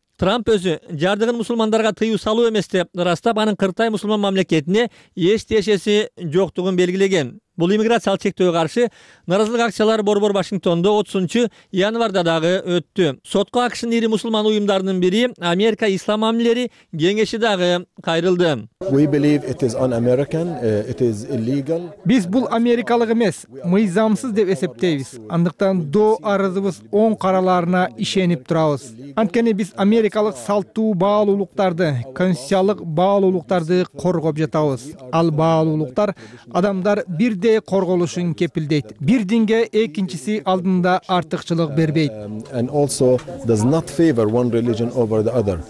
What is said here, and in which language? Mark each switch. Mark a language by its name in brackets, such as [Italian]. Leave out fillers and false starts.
[Kyrgyz] Трамп өзү жардыгын мусулмандарга тыюу салуу эмес деп ырастап, анын Кыртай мусулман мамлекетине эч тиешеси жоктугун белгилеген. Бул иммиграциялык чектөөгө каршы нааразылык акциялары борбор Вашингтондо 30 январда дагы өттү. Сотко АКШнын ири мусулман уюмдарынын бири Америка Ислам Мамилелери кеңеши дагы кайрылды. [English] We believe it is un-American, it is illegal. [Kyrgyz] Биз бул америкалык эмес, мыйзамсыз деп эсептейбиз. Андыктан доо арызыбыз оң караларына ишенип турабыз. Анткени биз америкалык салттуу баалуулуктарды, конституциялык баалуулуктарды коргоп жатабыз. Ал баалуулуктар адамдар бирдей корголушун кепилдейт. Бир динге экинчиси алдында артыкчылык бербейт. [English] And also does not favor one religion over the other.